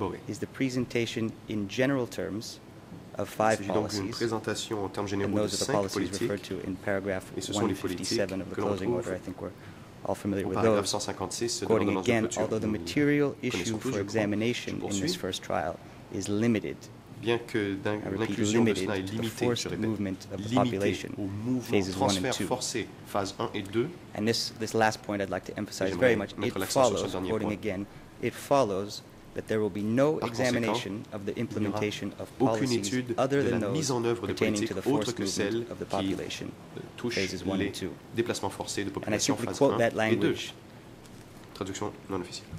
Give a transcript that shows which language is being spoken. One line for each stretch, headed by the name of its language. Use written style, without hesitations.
English: is the presentation in general terms of five policies,
French: en
English: and those are the policies referred to in paragraph 157 of the closing order. I think we're all familiar with those. Quoting again, although the material issue for examination in this first trial is limited,
French: bien que l'inclusion de cela est limitée, je répète, limitée au mouvement transfert forcé, phase 1 et 2.
English: And this last point I'd like to emphasize very much, it follows, quoting again, it follows that there will be no examination of the implementation of policies other than those pertaining to the forced movement of the population, phases 1 and 2.
French: Déplacements forcés de population, phase 1 et 2. Traduction non officielle.